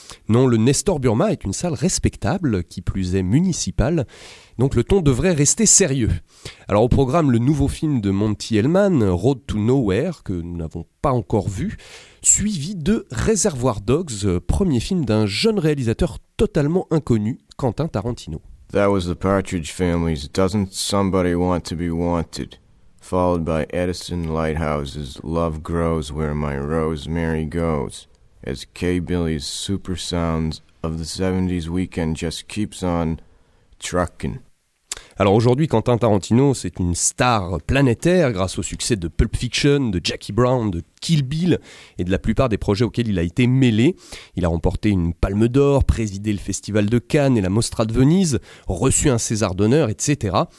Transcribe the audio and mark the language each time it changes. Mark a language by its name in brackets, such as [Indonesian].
[French] Non, le Nestor Burma est une salle respectable, qui plus est municipale, donc le ton devrait rester sérieux. Alors au programme, le nouveau film de Monty Hellman, Road to Nowhere, que nous n'avons pas encore vu, suivi de Reservoir Dogs, premier film d'un jeune réalisateur totalement inconnu, Quentin Tarantino. [English] That was the Partridge Family's Doesn't Somebody Want to Be Wanted, followed by Edison Lighthouse's Love Grows Where My Rosemary Goes, as Kay Billy's super sounds of the 70s weekend just keeps on trucking. [French] Alors aujourd'hui, Quentin Tarantino, c'est une star planétaire grâce au succès de Pulp Fiction, de Jackie Brown, de Kill Bill et de la plupart des projets auxquels il a été mêlé. Il a remporté une Palme d'Or, présidé le Festival de Cannes et la Mostra de Venise, reçu un César d'honneur, etc.